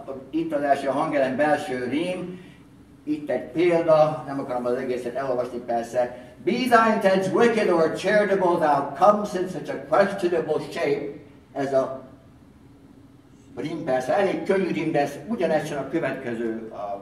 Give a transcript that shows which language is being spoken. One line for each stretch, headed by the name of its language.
Hungarian: Itt az első hangelem, belső rím, itt egy példa, nem akarom az egészet elolvasni persze.
English: Be thy intents wicked or charitable, thou comest in such a questionable shape.
Hungarian: Ez a rím persze, elég könnyű rím, de ugyanez a következő.